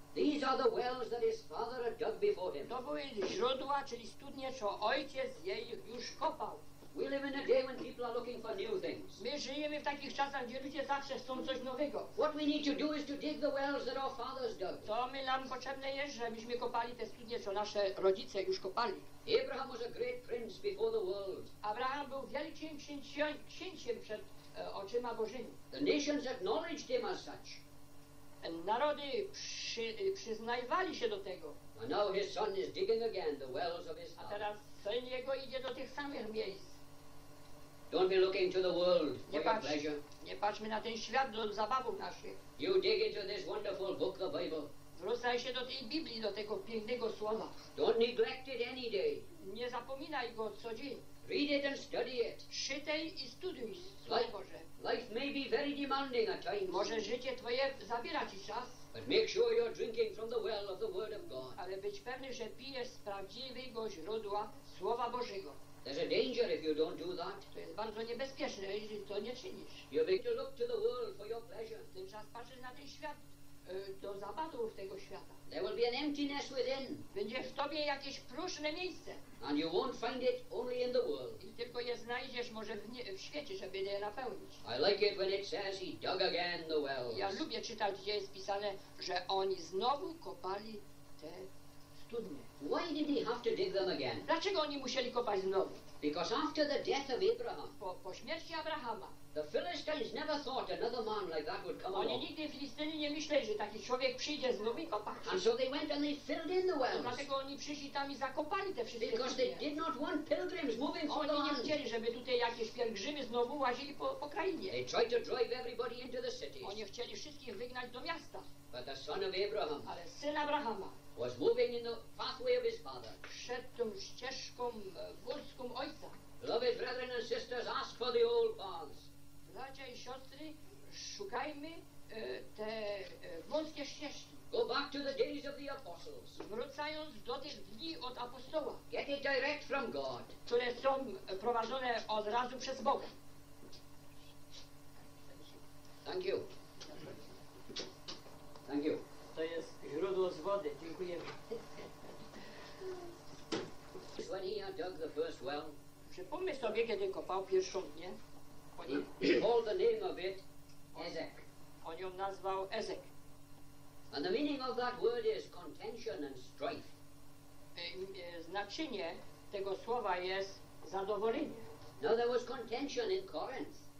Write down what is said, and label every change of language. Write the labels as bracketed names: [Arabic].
[English] These are the wells that his father had dug before him. [Polish] To były źródła, czyli studnie, co ojciec jej już kopał. [English] We live in a day when people are looking for new things. [Polish] My żyjemy w takich czasach, gdzie ludzie zawsze chcą coś nowego. [English] What we need to do is to dig the wells that our fathers dug. [Polish] To my nam potrzebne jest, żebyśmy kopali te studnie, co nasze rodzice już kopali. [English] Abraham was a great prince before the world. [Polish] Abraham był wielkim księciem przed oczyma Bożymi. [English] The nations acknowledged him as such. [Polish] Narody przyznawali się do tego. [English] And now his son is digging again the wells of his heart. [Polish] A teraz syn jego idzie do tych samych miejsc. [English] Don't be looking to the world for your pleasure. [Polish] Nie patrzmy na ten świat do zabawów naszych. [English] You dig into this wonderful book, the Bible. [Polish] Wracaj się do tej Biblii, do tego pięknego słowa. [English] Don't neglect it any day. [Polish] Nie zapominaj go co dzień. [English] Read it and study it. [Polish] Czytaj i studiuj Słowo Boże. [English] Life may be very demanding at times. [Polish] Może życie twoje zabiera ci czas. [English] But make sure you're drinking from the well of the Word of God. [Polish] Ale być pewny, że pijesz z prawdziwego źródła Słowa Bożego. [English] There's a danger if you don't do that. [Polish] To jest bardzo niebezpieczne, jeżeli to nie czynisz. [English] You have to look to the world for your pleasure. [Polish] Ten czas patrzysz na ten świat, do zabawów tego świata. [English] There will be an emptiness within. [Polish] Będzie w tobie jakieś próżne miejsce. [English] And you won't find it only in the world. [Polish] I tylko je znajdziesz może w świecie, żeby je napełnić. [English] I like it when it says he dug again the wells. [Polish] Ja lubię czytać, gdzie jest pisane, że oni znowu kopali te studnie. [English] Why did he have to dig them again? [Polish] Dlaczego oni musieli kopać znowu? [English] Because after the death of Abraham, [Polish] po śmierci Abrahama, [English] the Philistines never thought another man like that would come [Polish] oni [English] along. [Polish] Oni nigdy w Filistynie nie myśleli, że taki człowiek przyjdzie z nowy kopaczy. [English] And so they went and they filled in the wells. [Polish] Dlatego oni przyszli tam i zakopali te wszystkie. [English] Because [Polish] kopie. [English] They did not want pilgrims moving [Polish] oni [English] for the land. [Polish] Oni nie chcieli, żeby tutaj jakieś pielgrzymy znowu łazili po krainie. [English] They tried to drive everybody into the cities. [Polish] Oni chcieli wszystkich wygnać do miasta. [English] But the son of Abraham. [Polish] Ale syn Abrahama. [English] Was moving in the pathway of his father. [Polish] Szedł tą ścieżką górską ojca. [English] Beloved brethren and sisters, ask for the old paths. [Polish] Bracia i siostry, szukajmy te wąskie ścieżki. [English] Go back to the days of the apostles. [Polish] Wracając do tych dni od apostoła. [English] Get it direct from God. [Polish] Które są prowadzone od razu przez Boga. [English] Thank you. Thank you. [Polish] To jest źródło z wody. Dziękujemy. [English] When he had dug the first well, [Polish] przypomnij sobie, kiedy kopał pierwszą dnię. [English] He called the name of it Ezek. [Polish] On ją nazwał Ezek. [English] And the meaning of that word is contention and strife. [Polish] Znaczenie tego słowa jest zadowolenie. [English] Now there was contention in Corinth.